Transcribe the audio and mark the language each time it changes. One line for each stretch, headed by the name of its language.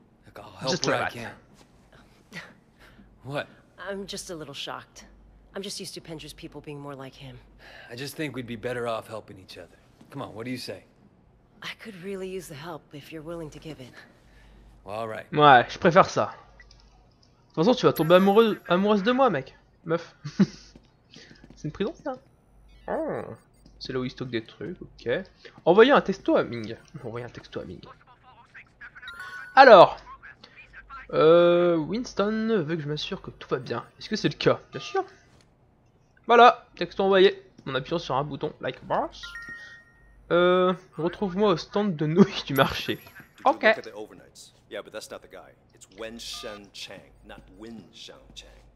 English: Look, I'll help where I can. What? I'm just a little shocked. I'm just used to Pendrew's people being more like him. I just think we'd be better off helping each other. Come on, what do you say? I could really use the help if you're willing to give in. Well, all right.
French: Ouais, je préfère ça. De toute façon, tu vas tomber amoureuse de moi, mec. Meuf. C'est une prison, ça. Oh. C'est là où ils stockent des trucs, ok. Envoyez un texto à Ming. Envoyez un texto à Ming. Alors. Winston veut que je m'assure que tout va bien. Est-ce que c'est le cas? Bien sûr. Voilà, texto envoyé. En appuyant sur un bouton,
English: like boss.
French: Retrouve-moi au stand de nouilles du marché. Ok.
English: Yeah, but that's not the guy. It's Wen Shen Chang, not Win Shang Chang.